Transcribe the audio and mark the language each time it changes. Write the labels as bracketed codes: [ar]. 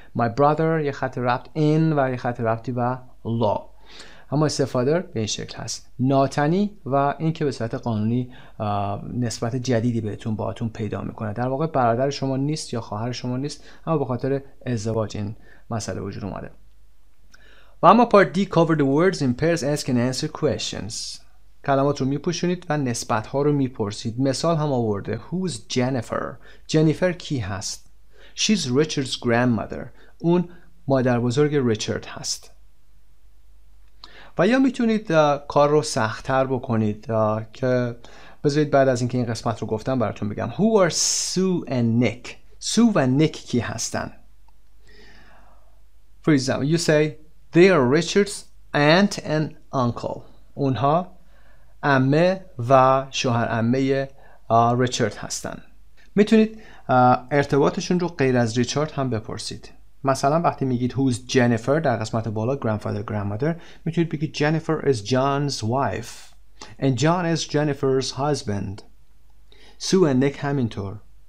[en] my brother [fa] یه خط ربط in و یه خط ربطی به law. اما استفاده به این شکل هست، ناتنی و این که به صورت قانونی نسبت جدیدی بهتون با اتون پیدا میکنه، در واقع برادر شما نیست یا خواهر شما نیست، اما به خاطر ازدواج این مسئله وجود اومده. و اما [en] part D cover the words in pairs, ask and answer questions. [fa] کلمات رو میپوشونید و نسبت ها رو میپرسید. [en] مثال هم آورده who's Jennifer؟ [fa] جنیفر کی هست؟ [en] she's Richard's grandmother. [fa] اون مادر بزرگ ریچارد هست. و یا میتونید کار رو سخت‌تر بکنید که بذارید بعد از اینکه این قسمت رو گفتم براتون بگم. [en] who are Sue and Nick؟ [fa] Sue و Nick کی هستن؟ [en] for example you say they are Richard's aunt and uncle. [fa] اونها عمه و شوهر عمه ریچارد هستن. میتونید ارتباطشون رو غیر از ریچارد هم بپرسید. مثلا وقتی میگید [en] who's Jennifer [fa] در قسمت بالا [en] grandfather grandmother، [fa] میتونید بگید [en] Jennifer is John's wife and John is Jennifer's husband. Sue and Nick [fa] همینطور.